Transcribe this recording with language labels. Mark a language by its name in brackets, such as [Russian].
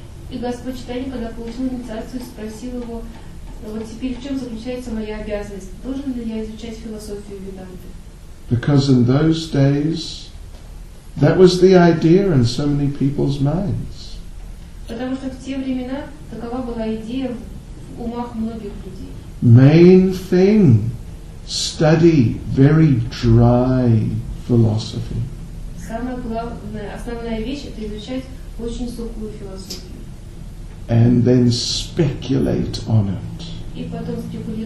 [Russian] И Господь Читание, когда получил инициацию, спросил его, вот теперь в чем заключается моя обязанность? Должен ли я изучать философию Веданты? [English] Because in those days, that was the idea in so many people's minds. [Russian] Потому что в те времена такова была идея в умах многих людей. [English] Main thing, study very dry philosophy. [Russian] Самая главная, основная вещь – это изучать очень сухую философию. [English] And then speculate on it.